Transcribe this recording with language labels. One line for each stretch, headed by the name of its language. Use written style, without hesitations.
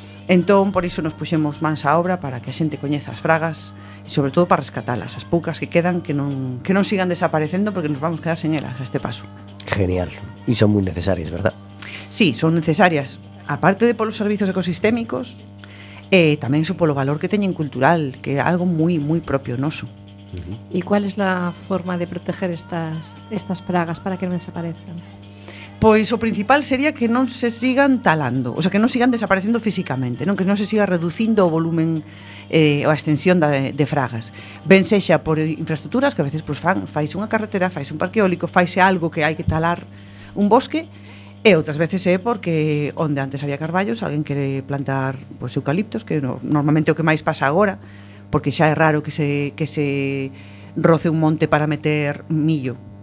Galician: Entón, por iso nos puxemos mans á obra para que a xente coñeza as fragas e sobre todo para rescatalas, as poucas que quedan que non sigan desaparecendo porque nos vamos a quedar sen elas a este paso. Genial, e son moi necesarias, verdad? Sí, son necesarias, aparte de polos servizos ecosistémicos, tamén iso polo valor que teñen cultural, que é algo moi moi propio noso. Uh-huh.
Spanish: ¿Y cuál es la forma de proteger estas pragas para que no desaparezcan? Pues lo principal sería que no se sigan talando, o sea, que no sigan desapareciendo físicamente, ¿no? Que no se siga reduciendo o volumen o extensión de fragas.
Galician: Ben sexa por infraestructuras, que a veces pues, faise unha carretera, faise un parque eólico, faise algo que hai que talar un bosque, e outras veces é porque onde antes había carballos, alguén quere plantar pues, eucaliptos, que normalmente o que máis pasa agora, porque xa é raro que se roce un monte para meter millo.